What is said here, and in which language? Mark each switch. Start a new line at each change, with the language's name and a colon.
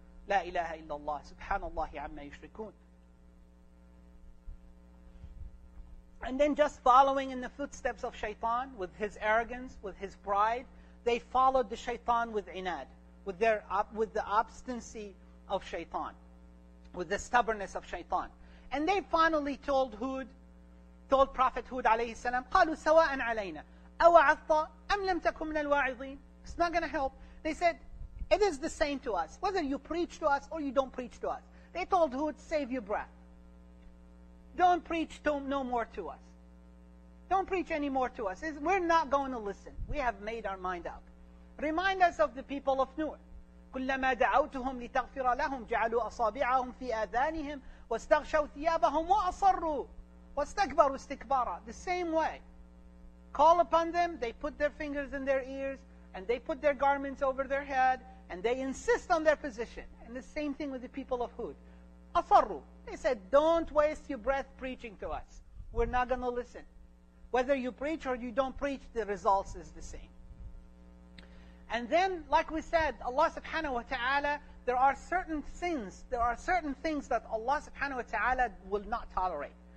Arabic: لا إله إلا الله سبحان الله عما يشركون.
English: And then just following in the footsteps of Shaytan with his arrogance, with his pride, they followed the Shaytan with inad, with the obstinacy of Shaytan, with the stubbornness of Shaytan. And they finally told Hud, told Prophet Hud
Arabic: عليه السلام, قالوا سواء علينا أوعظت أم لم تكن من الواعظين.
English: It's not going to help. They said, it is the same to us, whether you preach to us or you don't preach to us. They told Hud, save your breath. Don't preach no more to us. Don't preach any more to us. We're not going to listen. We have made our mind up. Remind us of the people of Nur.
Arabic: كلما دعوتهم لتغفر لهم جعلوا أصابعهم في آذانهم واستغشوا ثيابهم وأصروا واستكبروا استكبارا.
English: The same way. Call upon them, they put their fingers in their ears and they put their garments over their head and they insist on their position. And the same thing with the people of Hud.
Arabic: أصروا.
English: They said, don't waste your breath preaching to us. We're not going to listen. Whether you preach or you don't preach, the results is the same. And then, like we said, Allah subhanahu wa ta'ala, there are certain sins, there are certain things that Allah subhanahu wa ta'ala will not tolerate.